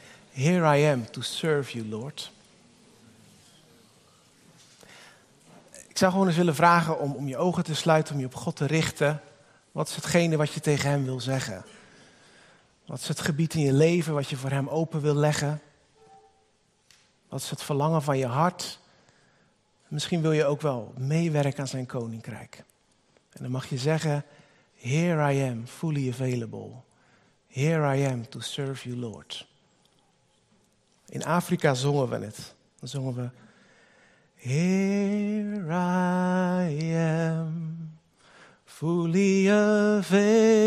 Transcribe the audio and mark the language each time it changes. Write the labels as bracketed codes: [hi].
[en] Here I am to serve you, Lord. [nl] Ik zou gewoon eens willen vragen om je ogen te sluiten, om je op God te richten. Wat is hetgene wat je tegen hem wil zeggen? Wat is het gebied in je leven wat je voor hem open wil leggen? Wat is het verlangen van je hart? Misschien wil je ook wel meewerken aan zijn koninkrijk. En dan mag je zeggen, [en] here I am, fully available. Here I am to serve you, Lord. [nl] In Afrika zongen we het. Dan zongen we. [en] Here I am, fully available.